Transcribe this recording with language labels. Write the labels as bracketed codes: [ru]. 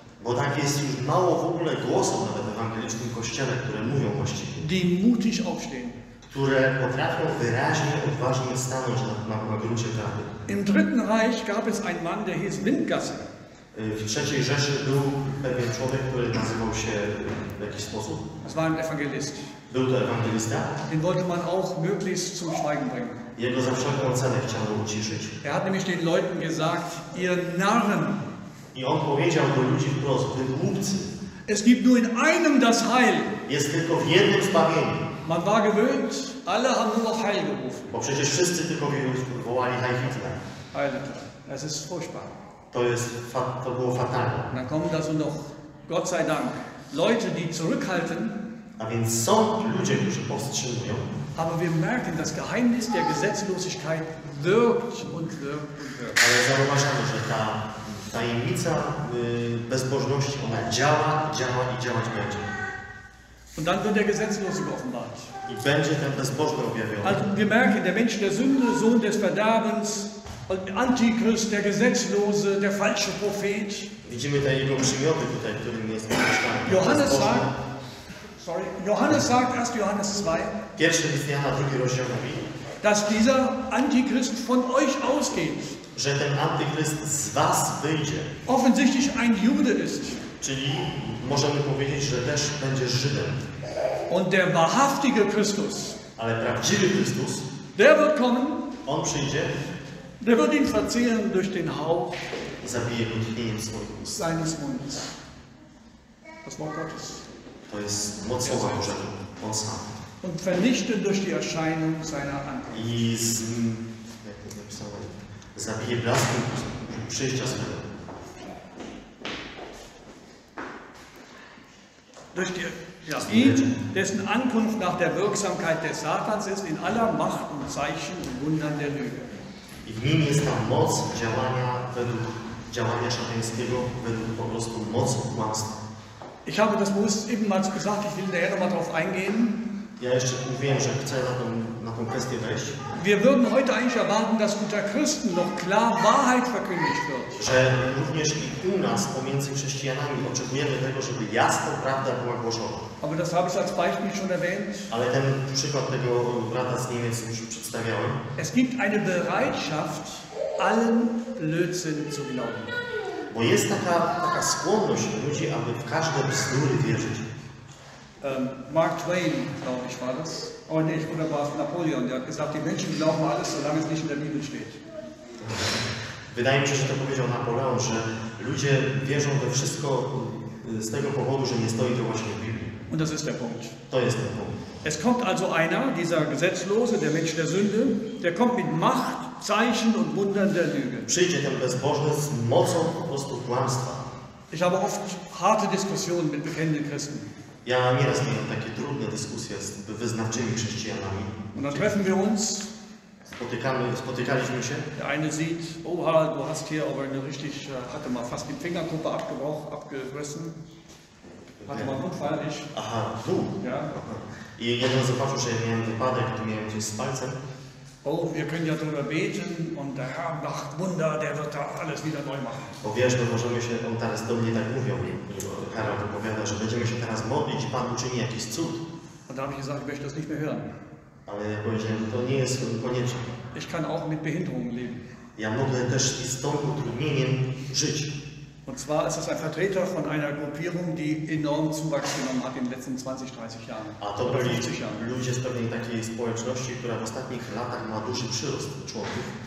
[pl] Bo tak jest już mało w ogóle głosów nawet w ewangelicznym kościele, które mówią właściwie. [de] Die mutig aufstehen. [pl] Które potrafią wyraźnie, odważnie stanąć na gruncie prawdy. [de] Im Dritten Reich gab es einen Mann, der hieß Windgasse. [pl] W III Rzeszy był pewien człowiek, który nazywał się w jakiś sposób. [de] Es war ein Evangelist. [pl] Był to ewangelista. [de] Den wollte man auch möglichst zum Schweigen bringen. [pl] Jego za wszelką cenę chciał uciszyć. [de] Er hat nämlich den Leuten gesagt, ihr Narren. [pl] I on powiedział do ludzi wprost, wy głupcy. [de] Es gibt nur in einem das Heil. [pl] Jest tylko w jednym zbawieniu. [de] Man war gewöhnt, alle haben nur noch Heil gerufen. [pl] Bo przecież wszyscy tylko wołali Heil Hitler. [de] Heil Hitler. Das ist furchtbar. [pl] To było fatalne. [de] Und dann kommen da so noch, Gott sei Dank, Leute, die zurückhalten. [pl] A więc są ludzie, którzy powstrzymują. [de] Aber wir merken, das Geheimnis der Gesetzlosigkeit wirkt und wirkt und wirkt. [pl] Ale zauważamy, że ta tajemnica bezbożności, ona działa, działa i działać będzie. [de] Und dann wird der Gesetzlose geoffenbart. [pl] I będzie ten bezbożny objawiony. [de] Also wir merken, der Mensch der Sünde, Sohn des Verderbens, Antichrist, der Gesetzlose, der falsche Prophet. [pl] Widzimy te jego przymioty tutaj, w którym jest [de] Johannes sagt, sorry, Johannes sagt, 1. Johannes 2, [pl] pierwszy list Jana, drugi rozdział mówi, [de] dass dieser Antichrist von euch ausgeht. [pl] Że ten Antychryst z was wyjdzie. [de] Offensichtlich ein Jude ist. [pl] Czyli możemy powiedzieć, że też będzie Żydem. [de] Und der wahrhaftige Christus, [pl] ale prawdziwy Chrystus, [de] der wird kommen, [pl] on przyjdzie, [de] der wird ihn verzehren durch den Hauch, [pl] zabije go tchnieniem swoim, [de] seines Mundes. Das Wort Gottes. [pl] To jest moc Słowa Bożego, on sam. [de] Und vernichtet durch die Erscheinung seiner Ankunft. [pl] I z, jak to napisało, zabije blaskiem przyjścia swego. [de] Durch die, ja, ihn, dessen Ankunft nach der Wirksamkeit des Satans ist, in aller Macht und Zeichen und Wundern der Lüge. [pl] I w nim jest ta moc działania według działania szatańskiego, według po prostu moc kłamstwa. [de] Ich habe das bewusst eben mal gesagt, ich will daher nochmal drauf eingehen. [pl] Ja jeszcze mówiłem, że chcę na tą kwestię wejść. [de] Wir würden heute eigentlich erwarten, dass unter Christen noch klar Wahrheit verkündigt wird. [pl] Że również i u nas, pomiędzy chrześcijanami, oczekujemy tego, żeby jasna prawda była głoszona. [de] Aber das habe ich als Beispiel schon erwähnt. [pl] Ale ten przykład tego brata z Niemiec już przedstawiałem. [de] Es gibt eine Bereitschaft, allen Blödsinn zu glauben. [pl] Bo jest taka skłonność ludzi, aby w każde bzdury wierzyć. [de] Mark Twain, glaube ich, war das. Oh nee, ich wurde war Napoleon, der hat gesagt, die Menschen glauben alles, solange es nicht in der Bibel steht. [pl] Wydaje mi się, że to powiedział Napoleon, że ludzie wierzą we wszystko z tego powodu, że nie stoi to właśnie w Biblii. [de] Und das ist der Punkt. [pl] To jest ten punkt. [de] Es kommt also einer, dieser Gesetzlose, der Mensch der Sünde, der kommt mit Macht, Zeichen und Wundern der Lüge. [pl] Przyjdzie ten bezbożny z mocą po prostu kłamstwa. [de] Ich habe oft harte Diskussionen mit bekennenden Christen. [pl] Ja nieraz miałem takie trudne dyskusje z wyznawczymi chrześcijanami. [de] Und dann treffen wir uns. [pl] Spotykaliśmy się. [de] Der eine sieht, oha, du hast hier aber eine richtig, hatte mal fast die Fingerkuppe abgebrochen, abgerissen. Hatte mal einen Unfall, ich. Aha, du. Ja. [pl] I jeden zobaczył, że miałem wypadek, to miałem gdzieś z palcem. [de] Oh, wir können ja darüber beten und der Herr macht Wunder, der wird da alles wieder neu machen. [pl] Bo wiesz, możemy się, on teraz do mnie tak mówił, Herr opowiada, że będziemy się teraz modlić, Pan uczyni jakiś cud. [de] Und da habe ich gesagt, ich möchte das nicht mehr hören. [pl] Ale ja powiedziałem, to nie jest konieczne. [de] Ich kann auch mit Behinderungen leben. [pl] Ja mogę też z tą utrudnieniem żyć. [de] Und zwar ist das ein Vertreter von einer Gruppierung, die enorm Zuwachs genommen hat in den letzten 20, 30 Jahren. [pl] A to byli ludzie z pewnej takiej społeczności, która w ostatnich latach ma duży przyrost członków.